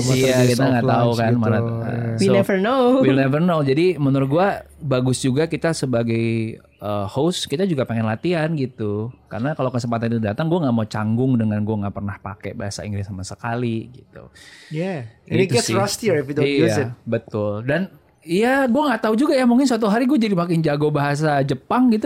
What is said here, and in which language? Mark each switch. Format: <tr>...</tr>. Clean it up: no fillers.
<id>sama kita nggak tahu kan gitu. Mana</id> <en>we never know.</en> <id>Jadi menurut gua bagus juga kita sebagai host, kita juga pengen latihan gitu, karena kalau kesempatan itu datang, gua nggak mau canggung dengan gua nggak pernah pakai bahasa Inggris sama sekali gitu.</id> <en>Ini gets rustier if you don't use it.</en> <id>Betul. Dan iya, gue gak tahu juga ya, mungkin suatu hari gue jadi makin jago bahasa Jepang gitu.</id>